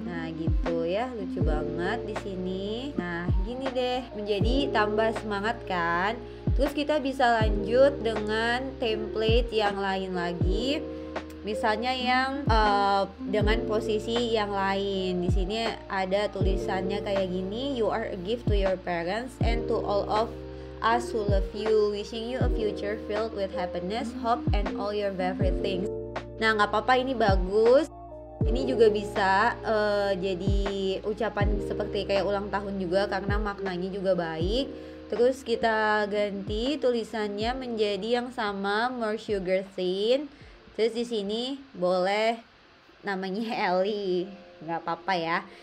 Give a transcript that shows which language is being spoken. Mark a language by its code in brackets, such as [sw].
[id] Nah, gitu ya. Lucu banget di sini. Nah, gini deh. Menjadi tambah semangat kan. Terus kita bisa lanjut dengan template yang lain lagi. Misalnya yang dengan posisi yang lain. Di sini ada tulisannya kayak gini, [en] you are a gift to your parents and to all of us who love you, wishing you a future filled with happiness, hope and all your favorite things. [id] Nah, enggak apa-apa, ini bagus. Ini juga bisa jadi ucapan seperti kayak ulang tahun juga karena maknanya juga baik. Terus kita ganti tulisannya menjadi yang sama, more sugar thin. Terus di sini boleh namanya Ellie, nggak apa-apa ya.